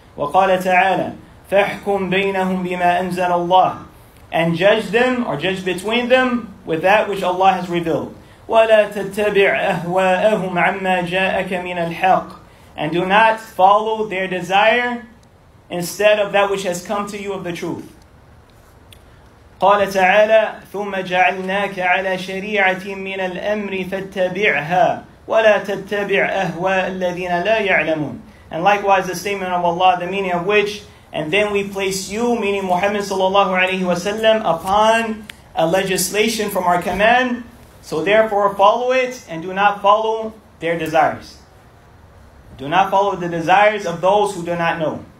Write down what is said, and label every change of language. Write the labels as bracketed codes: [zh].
[ar] وَقَالَ تَعَالَى فَاحْكُمْ بَيْنَهُمْ بِمَا أَنزَلَ اللَّهُ. [en] And judge them, or judge between them, with that which Allah has revealed. [ar] وَلَا تَتَّبِعْ أَهْوَاءَهُمْ عَمَّا جَاءَكَ مِنَ الْحَقِّ. [en] And do not follow their desire instead of that which has come to you of the truth. [ar] قال تعالى ثم جعلناك على شريعة من الأمر فاتبعها ولا تتبع أهواء الذين لا يعلمون. [en] And likewise the statement of Allah, the meaning of which, and then we place you, meaning Muhammad sallallahu alaihi wasallam, upon a legislation from our command, so therefore follow it and do not follow their desires. Do not follow the desires of those who do not know.